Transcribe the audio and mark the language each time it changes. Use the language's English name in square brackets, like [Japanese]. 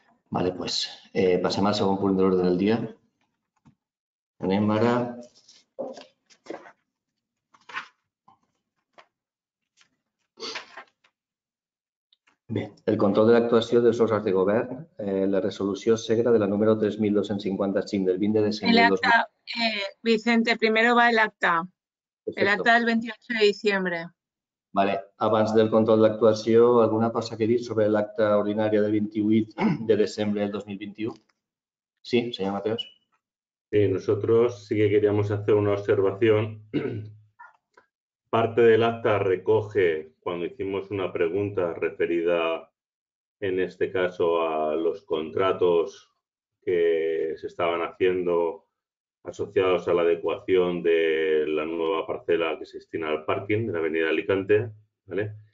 [Catalan] Vale, pues, passem al segon punt de l'ordre del dia. Anem ara bé, el control de l'actuació dels òrgans de govern, la resolució SEGRA de la número 3255 del 20 de desembre. [Spanish] El acta, Vicente, primero va el acta. Perfecto. El acta del 28 de diciembre. [Catalan] Vale, abans del control de l'actuació, alguna cosa que dir sobre l'acta ordinària del 28 de desembre del 2021? Sí, senyor Mateos. [Spanish] Nosotros sí que queríamos hacer una observación. Parte del acta recoge, cuando hicimos una pregunta referida, en este caso, a los contratos que se estaban haciendo asociados a la adecuación de la nueva parcela que se destina al parking de la Avenida Alicante, ¿vale?